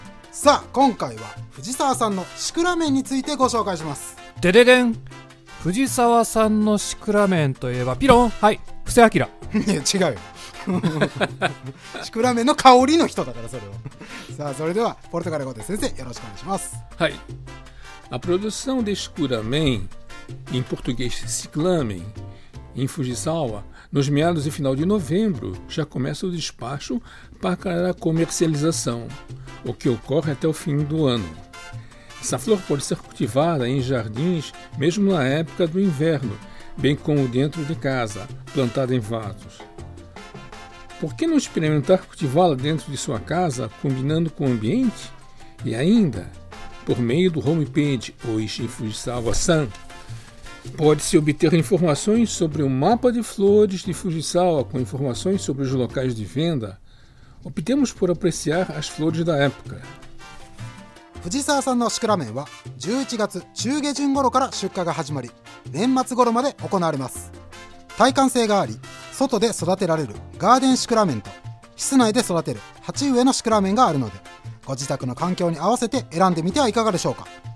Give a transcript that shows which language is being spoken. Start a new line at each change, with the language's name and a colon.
Japanese: さあ今回は藤沢さんのシクラメンについてご紹介します。デデデン、藤沢さんのシクラメンといえばピロン、はい、布施明。いや違うよシクラメンの香りの人だからそれをさあそれではポルトガル語で先生よろしくお願いします。
Portuguese: はい、a produção de Shikuramen, em português Shikuramen, em Fujisawa, nos meados e final de novembro, já começa o despacho para a comercialização, o que ocorre até o fim do ano. Essa flor pode ser cultivada em jardins, mesmo na época do inverno, bem como dentro de casa, plantada em vasos. Por que não experimentar cultivá-la dentro de sua casa, combinando com o ambiente? E ainda, por meio do homepage Oishi Fujisawa-san, pode-se obter informações sobre o mapa de flores de Fujisawa com informações sobre os locais de venda. Optemos por apreciar as flores da época.
Japanese: Fujisawa-san のシクラメンは11月中下旬頃から出荷が始まり、年末頃まで行われます。耐寒性があり、外で育てられるガーデンシクラメンと、室内で育てる鉢植えのシクラメンがあるので、ご自宅の環境に合わせて選んでみてはいかがでしょうか。